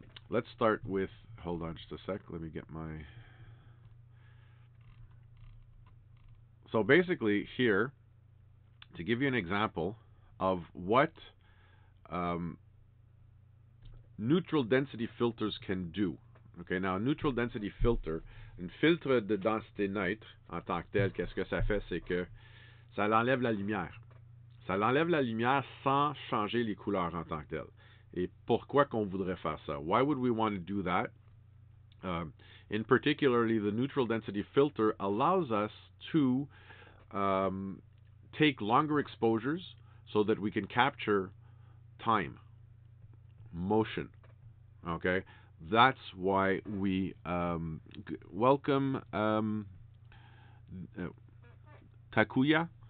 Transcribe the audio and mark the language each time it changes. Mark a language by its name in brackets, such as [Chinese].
[English] Let's start with, hold on just a sec, let me get my... So basically here, to give you an example of what neutral density filters can do. Okay, now a neutral density filter, [French] un filtre de densité neutre, en tant que tel, qu'est-ce que ça fait? C'est que ça l'enlève la lumière. Ça l'enlève la lumière sans changer les couleurs en tant que telles. Et pourquoi qu'on voudrait faire ça? [English] Why would we want to do that? In particularly, the neutral density filter allows us to take longer exposures so that we can capture time, motion. Okay? That's why we welcome Takuya.